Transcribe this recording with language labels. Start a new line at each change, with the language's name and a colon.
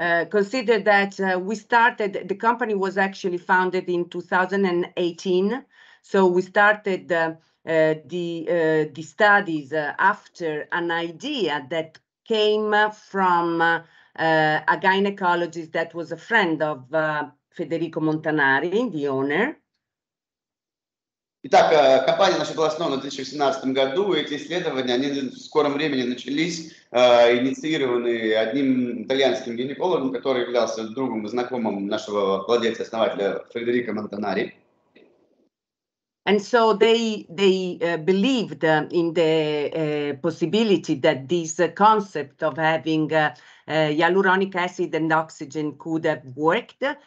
English: consider that we started, the company was actually founded in 2018. So we started the studies after an idea that came from a gynecologist that was a friend of Federico Montanari, the owner.
Russian: Итак, компания наша была основана в 2018 году, и эти исследования, они в скором времени начались, инициированы одним итальянским гинекологом, который являлся другом и знакомым нашего владельца-основателя Федерико Монтанари.
English: And so they believed in the possibility that this concept of having hyaluronic acid and oxygen could have worked.